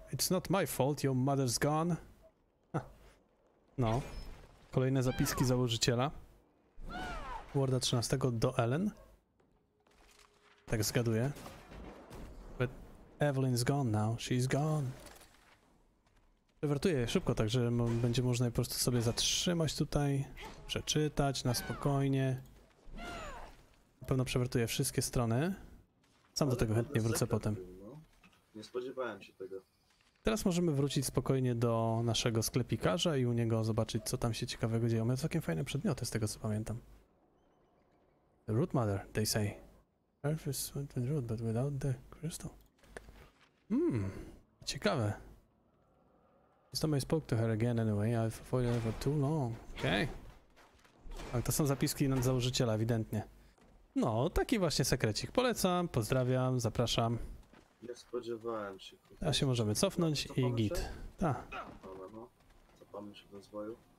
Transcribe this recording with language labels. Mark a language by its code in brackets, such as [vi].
[en] It's not my fault, your mother's gone. No. [pl] Kolejne zapiski założyciela. Warda 13 do Ellen. Tak zgaduję. [en] But Evelyn's gone now, she's gone. [pl] Przewertuję szybko, tak że będzie można po prostu sobie zatrzymać tutaj, przeczytać na spokojnie. Na pewno przewertuję wszystkie strony. Sam do tego chętnie wrócę potem. Nie spodziewałem się tego. Teraz możemy wrócić spokojnie do naszego sklepikarza i u niego zobaczyć, co tam się ciekawego dzieje. Mają całkiem fajne przedmioty, z tego co pamiętam. [en] The root mother, they say. Earth is with root, but without the crystal. Ciekawe. This time I spoke to her again anyway, I've avoided her for too long. [pl] Okej. Okay. To są zapiski nad założyciela, ewidentnie. No, taki właśnie sekrecik. Polecam, pozdrawiam, zapraszam. Nie spodziewałem się. A się możemy cofnąć no, i git. Tak. No. Cofamy się w rozwoju.